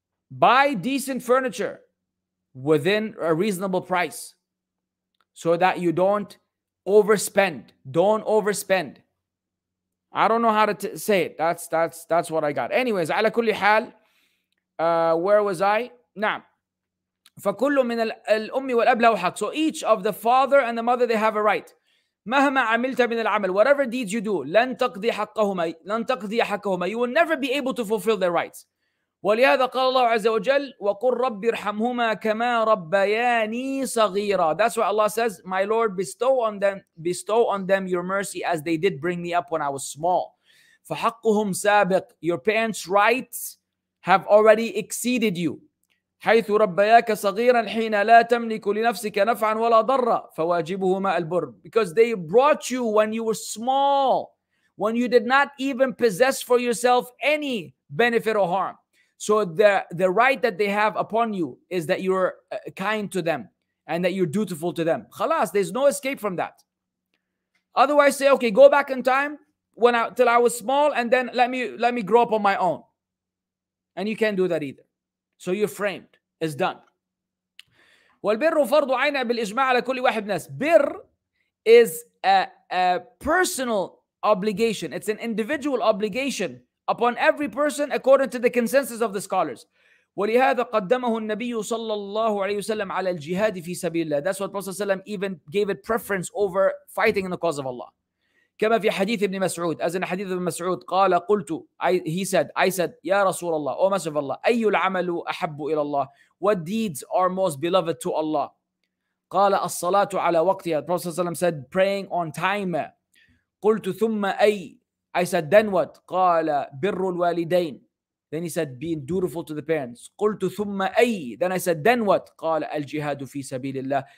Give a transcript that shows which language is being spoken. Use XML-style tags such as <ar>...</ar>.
<en>Buy decent furniture within a reasonable price so that you don't overspend. Don't overspend. I don't know how to say it. That's what I got. Anyways,</en> <ar>ala kulli hal.</ar> <en>Where was I? نعم.</en> <ar>فكل من الأم والأب له حق.</ar> <en>So each of the father and the mother, they have a right.</en> <ar>مهما عملت من العمل,</ar> <en>whatever deeds you do,</en> <ar>لن تقضي حقهما.</ar> <en>You will never be able to fulfill their rights.</en> <ar>ولهذا قال الله عز وجل وقل رب ارحمهما كما ربياني صغيرا.</ar> <en>That's why Allah says, my Lord, bestow on them your mercy as they did bring me up when I was small.</en> <ar>فحقهم سابق.</ar> <en>Your parents' rights have already exceeded you.</en> <ar>حيث ربياك صغيرا حين لا تملك لنفسك نفعا ولا ضرا فواجبهما البر.</ar> <en>Because they brought you when you were small, when you did not even possess for yourself any benefit or harm. So the right that they have upon you is that you're kind to them and that you're dutiful to them. Khalas, there's no escape from that. Otherwise, say, okay, go back in time when till I was small, and then let me grow up on my own. And you can't do that either. So you're framed. It's done.</en> <ar>وَالْبِرُّ فَرْضُ عَيْنَا بِالْإِجْمَاعَ عَلَى كُلِّ وَاحِدٍ مِنَ النَّاسِ.</ar> <en>Birr is a personal obligation. It's an individual obligation upon every person according to the consensus of the scholars.</en> <ar>وَلِهَذَا قَدَّمَهُ النَّبِيُّ صَلَّى اللَّهُ عَلَيْهُ وَسَلَّمْ عَلَى الْجِهَادِ فِي سَبِيلِ اللَّهِ.</ar> <en>That's what Prophet ﷺ even gave it preference over fighting in the cause of Allah.</en> <ar>كما في حديث ابن مسعود.</ar> <en>As in</en> <ar>حديث ابن مسعود قال قلت</ar> <en>I said</en> <ar>يا رسول الله أو مسعود الله أي العمل أحب إلى الله.</ar> <en>What deeds are most beloved to Allah?</en> <ar>قال الصلاة على وقتها.</ar> <en>Prophet ﷺ said praying on time.</en> <ar>قلت ثم أي.</ar> <en>I said then what?</en> <ar>قال بر الوالدين.</ar> <en>Then he said being dutiful to the parents.</en> <ar>قلت ثم أي.</ar> <en>Then I said then what?</en> <ar>قال الجهاد في سبيل الله.</ar>